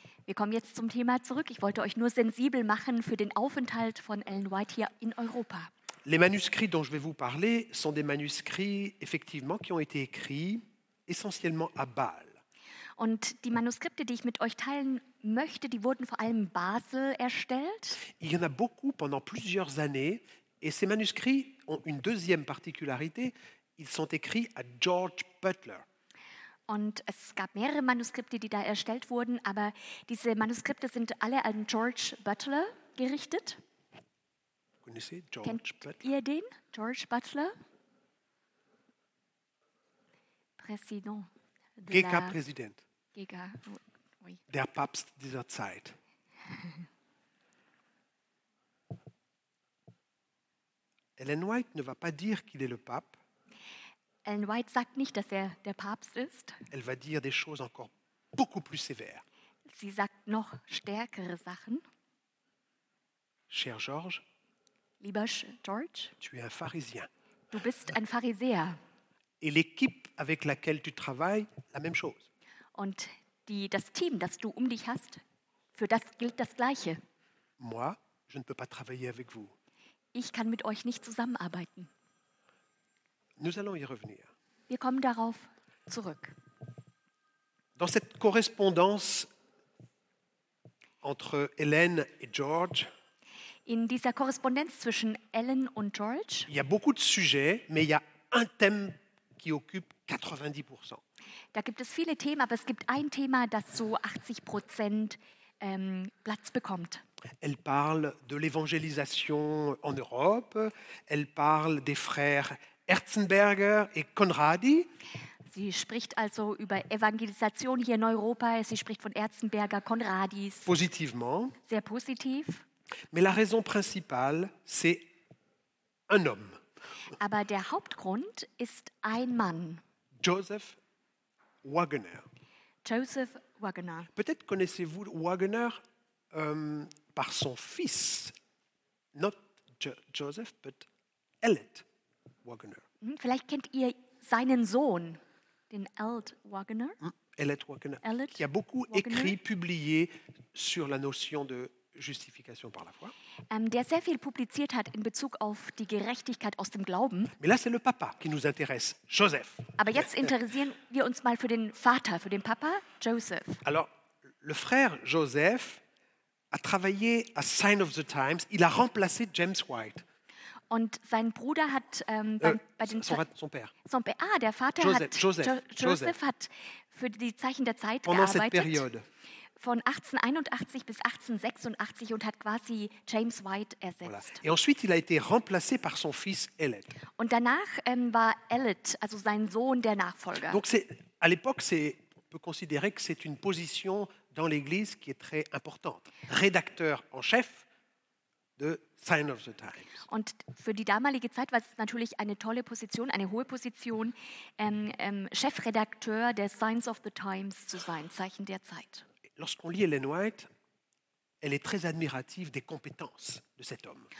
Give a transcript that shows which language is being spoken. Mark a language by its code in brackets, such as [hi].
[de] Wir kommen jetzt zum Thema zurück. Ich wollte euch nur sensibel machen für den Aufenthalt von Ellen White hier in Europa. [fr] Les manuscrits dont je vais vous parler sont des manuscrits, effectivement, qui ont été écrits essentiellement à Bâle. [de] Und die Manuskripte, die ich mit euch teilen möchte, die wurden vor allem Basel erstellt. [fr] Il y en a beaucoup pendant plusieurs années, et ces manuscrits ont une deuxième particularité, ils sont écrits à George Butler. [de] Und es gab mehrere Manuskripte, die da erstellt wurden, aber diese Manuskripte sind alle an George Butler gerichtet. Kennt ihr den George Butler? Präsident. GK-Präsident. GK, oui. Der Papst dieser Zeit. [fr] Ellen White ne va pas dire qu'il est le pape. [de] Ellen White sagt nicht, dass er der Papst ist. [fr] Elle va dire des choses encore beaucoup plus sévères. [de] Sie sagt noch stärkere Sachen. [fr] Cher Georges. [de] Lieber George. [fr] Tu es un pharisien. [de] Du bist ein Pharisäer. [fr] Et l'équipe avec laquelle tu travailles, la même chose. [de] Und das Team, das du um dich hast, für das gilt das Gleiche. [fr] Moi, je ne peux pas travailler avec vous. [de] Ich kann mit euch nicht zusammenarbeiten. [fr] Nous allons y revenir. [de] Wir kommen darauf zurück. [fr] Dans cette correspondance entre Hélène et George, [de] in dieser Korrespondenz zwischen Ellen und George, [fr] il y a beaucoup de sujets, mais il y a un thème qui occupe 90%. [de] Da gibt es viele Themen, aber es gibt ein Thema, das so 80% Platz bekommt. [fr] Elle parle de l'évangélisation en Europe, elle parle des frères Erzenberger et Conradi. [de] Sie spricht also über Evangelisation hier in Europa, sie spricht von Erzenberger, Conradis. [fr] Positivement. [de] Sehr positiv. [fr] Mais la raison principale, c'est un homme. [de] Aber der Hauptgrund ist ein Mann. [fr] Joseph Wagner. [de] Joseph Wagner. [fr] Peut-être connaissez-vous Wagner par son fils, [en] not Joseph, but Elliot Wagner. [de] Vielleicht kennt ihr seinen Sohn, den Elliot Wagner. Elliot Wagner. [fr] Elliot qui a beaucoup Wagner. Écrit, publié sur la notion de justification par la foi. [de] Der sehr viel publiziert hat in Bezug auf die Gerechtigkeit aus dem Glauben. [fr] Mais là, c'est le papa qui nous intéresse, Joseph. [de] Aber jetzt interessieren wir uns mal für den Vater, für den Papa, Joseph. [fr] Alors, le frère Joseph a travaillé à Sign of the Times. Il a remplacé James White. [de] Und sein Bruder hat Joseph hat für die Zeichen der Zeit [fr] pendant [de] gearbeitet. [fr] Cette période. [de] Von 1881 bis 1886 und hat quasi James White ersetzt. [fr] Voilà. Et ensuite, il a été remplacé par son fils Elliot. [de] Und danach war Elliot, also sein Sohn, der Nachfolger. [fr] Donc c'est, à l'époque, c'est, on peut considérer que c'est une position dans l'Église qui est très importante. Rédacteur en chef de Sign of the Times. [de] Und für die damalige Zeit war es natürlich eine tolle Position, eine hohe Position, Chefredakteur der Signs of the Times zu sein, Zeichen der Zeit. [fr] Lorsqu'on lit Ellen White, elle est très admirative des compétences de cet homme.